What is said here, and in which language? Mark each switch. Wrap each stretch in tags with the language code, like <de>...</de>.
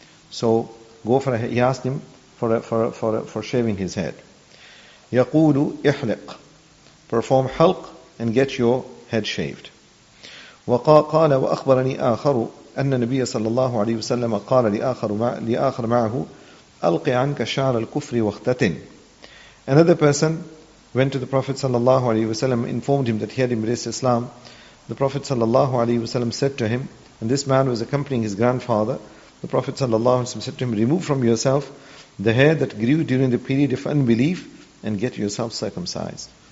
<en>So go for a, he asked him for shaving his head.</en> <ar>Yaqulu ihliq.</ar> <en>Perform halq and get your head shaved.</en> <ar>وقال وأخبرني آخر أن النبي صلى الله عليه وسلم قال لآخر معه ألقي عنك شعر الكفر واختتن.</ar> <en>Another person went to the Prophet صلى الله عليه وسلم, informed him that he had embraced Islam. The Prophet صلى الله عليه وسلم said to him, and this man was accompanying his grandfather, The Prophet sallallahu alaihi wasallam said to him, remove from yourself the hair that grew during the period of unbelief and get yourself circumcised.</en>